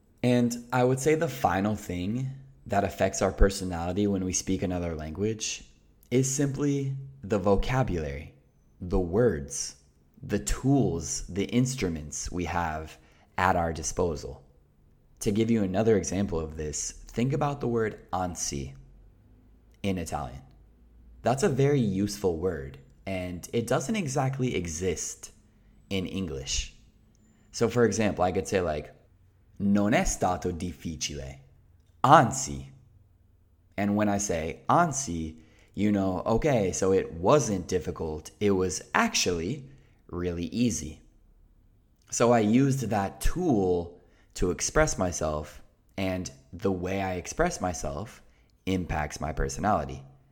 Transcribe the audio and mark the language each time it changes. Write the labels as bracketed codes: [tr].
[en] And I would say the final thing that affects our personality when we speak another language is simply the vocabulary, the words, the tools, the instruments we have at our disposal. To give you another example of this, think about the word anzi in Italian. That's a very useful word, and it doesn't exactly exist in English. So for example, I could say like, [it] non è stato difficile, anzi. [en] And when I say anzi, you know, okay, so it wasn't difficult, it was actually really easy. So I used that tool to express myself, and the way I express myself impacts my personality.